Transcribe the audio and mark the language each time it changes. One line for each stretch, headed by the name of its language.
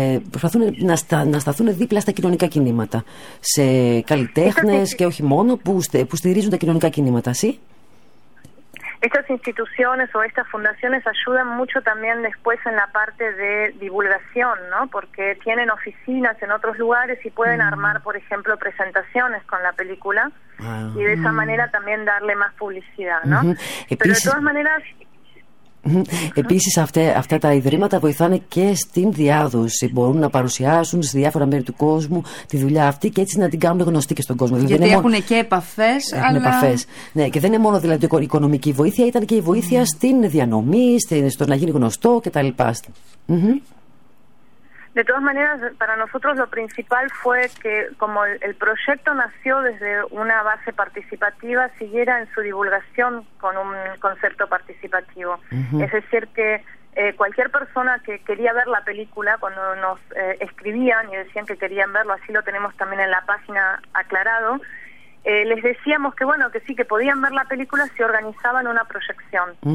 Greek: Προσπαθούν να σταθούν δίπλα στα κοινωνικά κινήματα. Σε καλλιτέχνες και όχι μόνο, που στηρίζουν τα κοινωνικά κινήματα.
Spanish: Sí. Estas instituciones o estas fundaciones ayudan mucho también después en la parte de divulgación, ¿no? Porque tienen oficinas en otros lugares y pueden armar, por ejemplo, presentaciones con la película y de esa manera también darle más publicidad, ¿no? Pero de todas maneras.
Greek: Επίσης αυτά τα ιδρύματα βοηθάνε και στην διάδοση. Μπορούν να παρουσιάσουν σε διάφορα μέρη του κόσμου τη δουλειά αυτή και έτσι να την κάνουν γνωστή και στον κόσμο. Γιατί δηλαδή έχουν και επαφές. Έχουν αλλά επαφές. Ναι, και δεν είναι μόνο δηλαδή η οικονομική βοήθεια, ήταν και η βοήθεια στην διανομή, στο να γίνει γνωστό κτλ.
Spanish: De todas maneras, para nosotros lo principal fue que como el proyecto nació desde una base participativa, siguiera en su divulgación con un concepto participativo. Es decir, que cualquier persona que quería ver la película, cuando nos escribían y decían que querían verlo, así lo tenemos también en la página aclarado, les decíamos que bueno, que sí, que podían ver la película si organizaban una proyección.